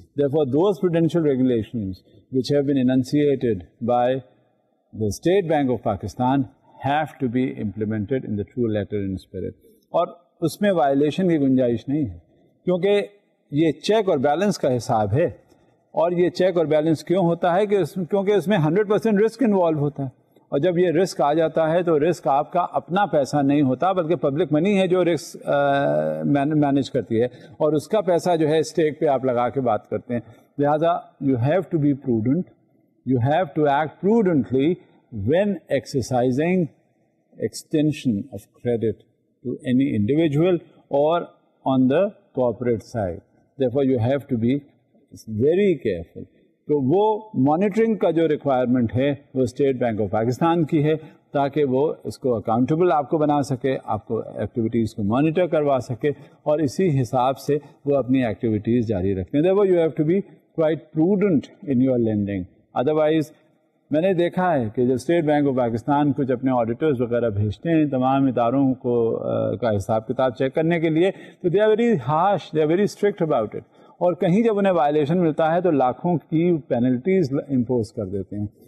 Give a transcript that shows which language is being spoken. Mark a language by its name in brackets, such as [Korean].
[English] Therefore those prudential regulations which have been initiated by the state bank of Pakistan have to be implemented in the true letter and spirit. [Urdu] اور اس میں violation کی گنجائش نہیں ہے, کیونکہ یہ چیک اور بیلنس کا حساب ہے. اور یہ چیک اور بیلنس کیوں ہوتا ہے کہ کیونکہ اس میں 100% رسک انوالو ہوتا ہے, اور جب یہ رسک آ جاتا ہے تو رسک آپ کا اپنا پیسہ نہیں ہوتا بلکہ پبلک منی ہے جو رسک مینج کرتی ہے, اور اس کا پیسہ جو ہے اسٹیک پہ آپ لگا کے بات کرتے ہیں. [English] لہذا you have to be prudent, you have to act prudently when exercising extension of credit to any individual اور on the corporate side. Therefore, you have to be very careful. [Urdu] تو وہ مانیٹرنگ کا جو ریکوائرمنٹ ہے وہ اسٹیٹ بینک آف پاکستان کی ہے, تاکہ وہ اس کو اکاؤنٹیبل آپ کو بنا سکے, آپ کو ایکٹیویٹیز کو مانیٹر کروا سکے, اور اسی حساب سے وہ اپنی ایکٹیویٹیز جاری رکھیں. [English] Therefore, you have to be quite prudent in your lending. [Urdu] Otherwise, میں نے دیکھا ہے کہ جب اسٹیٹ بینک آف پاکستان کچھ اپنے آڈیٹرز وغیرہ بھیجتے ہیں تمام اداروں کو کا حساب کتاب چیک کرنے کے لیے, تو [English] they are very harsh, they are very strict about it, [Urdu] اور کہیں جب انہیں وائلیشن ملتا ہے تو لاکھوں کی پینلٹیز امپوز کر دیتے ہیں.